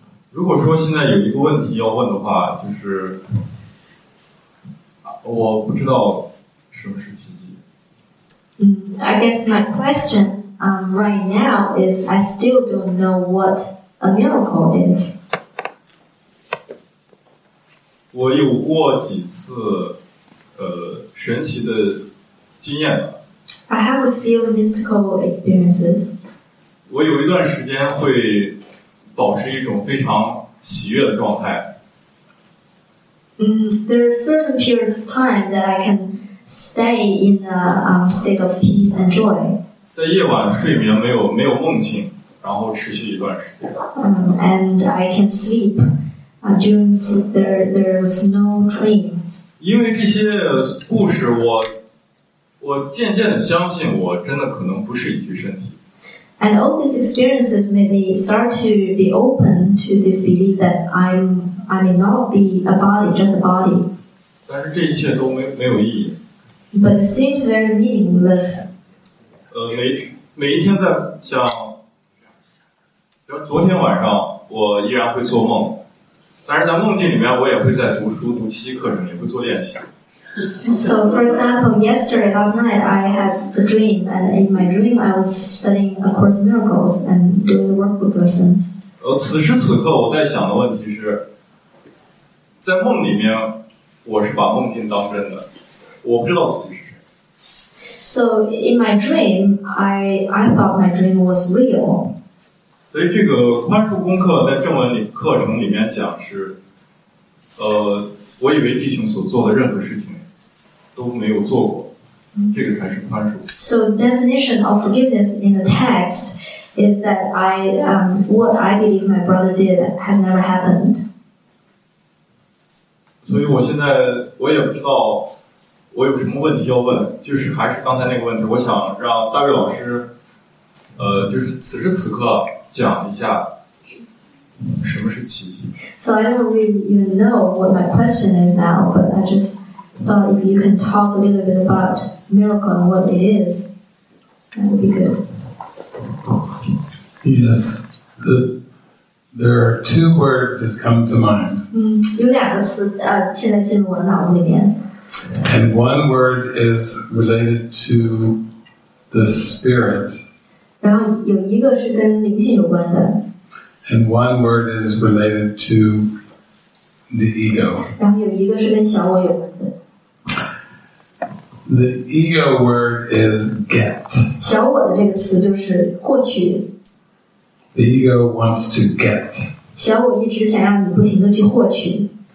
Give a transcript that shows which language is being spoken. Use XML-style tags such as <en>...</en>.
<zh>如果说现在有一个问题要问的话，就是我不知道什么是奇迹。</zh> <en>I guess my question right now is I still don't know what a miracle is.</en> <zh>我有过几次神奇的经验。</zh> <en>I have a few mystical experiences.</en> <zh>我有一段时间会保持一种非常喜悦的状态。</zh> <en>There are certain periods of time that I canStay in a state of peace and joy.</en> <zh>在夜晚睡眠没有梦境，然后持续一段时间。</zh> <en>And I can sleep during sleep. There's no dream.</en> <zh>因为这些故事，我渐渐的相信，我真的可能不是一具身体。</zh> <en>And all these experiences made me start to be open to this belief that I may not be a body, just a body.</en> <zh>但是这一切都没有意义。</zh> <en>But it seems very meaningless.</en> <zh>每一天在像，比如昨天晚上我依然会做梦，但是在梦境里面我也会在读书、读七课程，也会做练习。</zh> <en>So for example, yesterday last night I had a dream, and in my dream I was studying A Course in Miracles and doing the workbook lesson.</en> <zh>此时此刻我在想的问题是，在梦里面我是把梦境当真的。我不知道自己是谁。</zh> <en>So in my dream, I thought my dream was real.</en> <zh>所以这个宽恕功课在正文里课程里面讲是，我以为弟兄所做的任何事情都没有做过，这个才是宽恕。</zh> <en>So the definition of forgiveness in the text is that what I believe my brother did has never happened.</en> <zh>所以我现在我也不知道。我有什么问题要问，就是还是刚才那个问题，我想让大卫老师就是此时此刻讲一下什么是奇迹。</zh> <en>So I don't really even know what my question is now, but I just thought if you can talk a little bit about miracle and what it is, that would be good. Yes, there are two words that come to mind.</en> <zh>有两个词现在进入我的脑子里面。</zh> <en>And one word is related to the spirit.</en> <zh>然后有一个是跟灵性有关的。</zh> <en>And one word is related to the ego.</en> <zh>然后有一个是跟小我有关的。</zh> <en>The ego word is get.</en> <zh>小我的这个词就是获取。</zh> <en>The ego wants to get.</en> <zh>小我一直想让你不停地去获取。</zh>